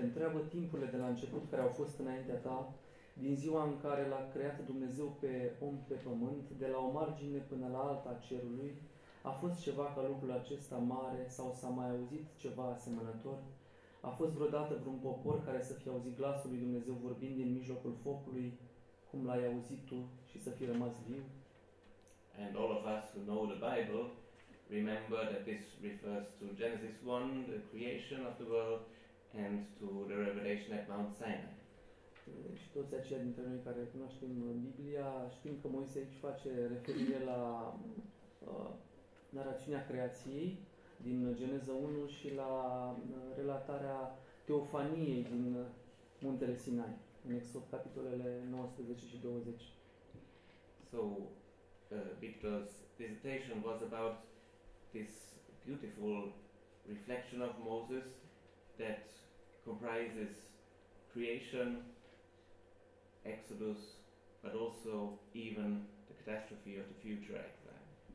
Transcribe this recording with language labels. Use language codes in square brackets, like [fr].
[ro] Întreabă timpurile de la început care au fost înaintea ta, din ziua în care l-a creat Dumnezeu pe om pe pământ, de la o margine până la alta a cerului, a fost ceva ca lucrul acesta mare sau s-a mai auzit ceva asemănător? A fost vreodată vreun popor care să fie auzit glasul lui Dumnezeu vorbind din mijlocul focului, cum l-ai auzit tu și să fi rămas viu? [en] And all of us who know the Bible remember that this refers to Genesis 1, the creation of the world, and to the revelation at Mount Sinai. [ro] Și toți aceia dintre noi care cunoaștem Biblia știm că Moise aici face referire la narațiunea creației din Geneza 1 și la relatarea teofaniei din Muntele Sinai, în Exod, capitolele 19 și 20. [en] So, Victor's dissertation was about this beautiful reflection of Moses that comprises creation, Exodus, but also even the catastrophe of the future exile.